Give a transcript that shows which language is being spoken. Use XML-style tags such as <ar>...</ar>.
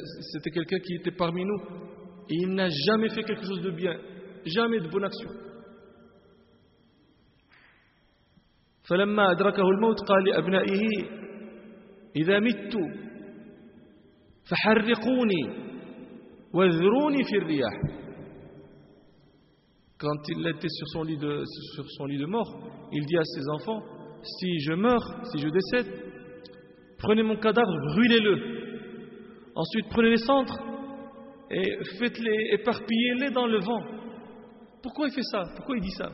<fr>C'était quelqu'un qui était parmi nous et il n'a jamais fait quelque chose de bien. Jamais de bonne action.</fr> <ar>فلما أدركه الموت قال لأبنائه إذا مت فحرقوني وذروني في الرياح.</ar> <fr>Quand il était sur son lit de mort, il dit à ses enfants, si je meurs, si je décède, prenez mon cadavre, brûlez-le. Ensuite prenez les cendres et faites-les, éparpillez-les dans le vent. Pourquoi il fait ça? Pourquoi il dit ça?</fr>